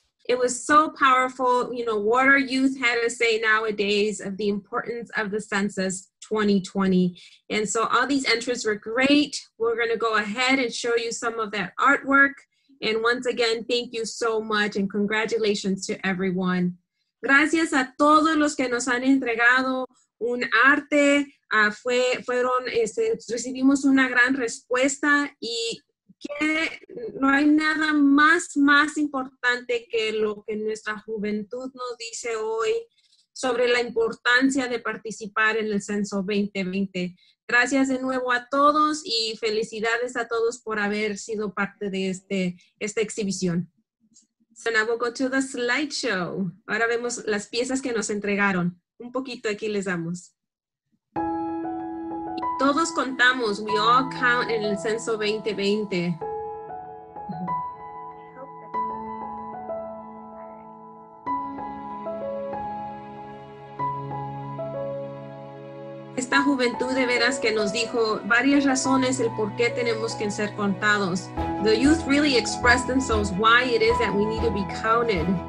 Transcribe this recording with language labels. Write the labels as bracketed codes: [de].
[en] It was so powerful. You know, what are youth had to say nowadays of the importance of the census 2020? And so all these entries were great. We're going to go ahead and show you some of that artwork. And once again, thank you so much and congratulations to everyone. [es] Gracias a todos los que nos han entregado un arte. Recibimos una gran respuesta y que no hay nada más importante que lo que nuestra juventud nos dice hoy sobre la importancia de participar en el Censo 2020. Gracias de nuevo a todos y felicidades a todos por haber sido parte de esta exhibición. So now we'll go to the slideshow. Ahora vemos las piezas que nos entregaron. Un poquito aquí les damos. Todos contamos. [en] We all count in [es] el Censo 2020. Esta juventud de veras que nos dijo varias razones el por qué tenemos que ser contados. [en] The youth really expressed themselves why it is that we need to be counted.